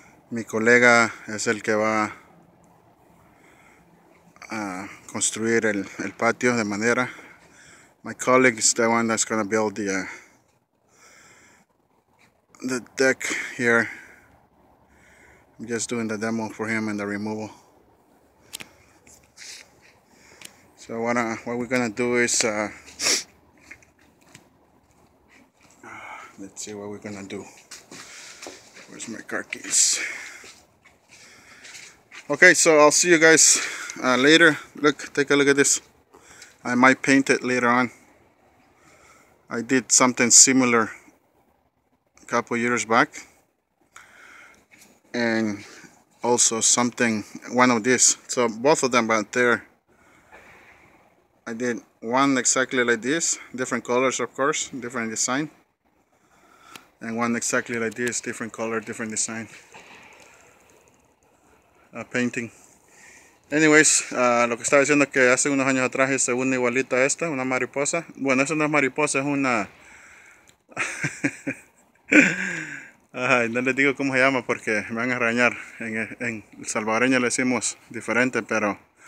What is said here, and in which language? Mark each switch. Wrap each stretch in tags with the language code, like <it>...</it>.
<es>Mi colega es el que va a construir el patio de madera.</es> <en>My colleague is the one that's going to build the deck here. I'm just doing the demo for him and the removal. So what we're going to do is, let's see what we're going to do. Where's my car keys? Okay, so I'll see you guys later. Look, take a look at this. I might paint it later on. I did something similar a couple years back. And also something, one of these. So both of them out there. I did one exactly like this. Different colors, of course, different design. And one exactly like this, different color, different design. Painting.</en> <es>Anyways, lo que estaba diciendo es que hace unos años atrás hice una igualita a esta, una mariposa. Bueno, eso no es mariposa, es una... Ay, no les digo cómo se llama porque me van a regañar. En salvadoreño le decimos diferente, pero...</es>